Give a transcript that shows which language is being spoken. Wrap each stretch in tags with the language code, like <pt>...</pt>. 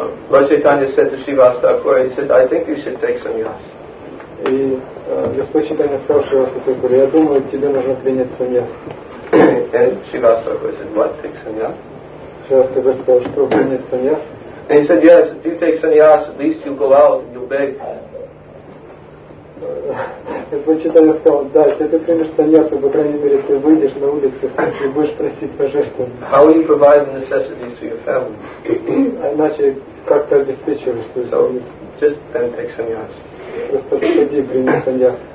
<en>Lord Chaitanya said to Shrivastakura, he said, I think you should take sannyas.</en> <ru>И Господь Читания сказал Шривастакура, я думаю, тебе нужно принять сannyas.</ru> <en>And Shrivastakura said, what, take sannyas?</en> <ru>Шривастакура сказал, что принять sannyas?</ru> <en>And he said, yes, if you take sannyas, at least you'll go out and you'll beg.</en> <ru>Господь Читания сказал, да, если ты примешь sannyas, по крайней мере, ты выйдешь на улицу и будешь просить пожертвования.</ru> <en>How will you provide the necessities to your family?</en> <ru>Иначе, как ты обеспечиваешь свою семью?</ru> <en>Just then take sannyas.</en> <ru>Просто приходи, прими sannyas.</ru>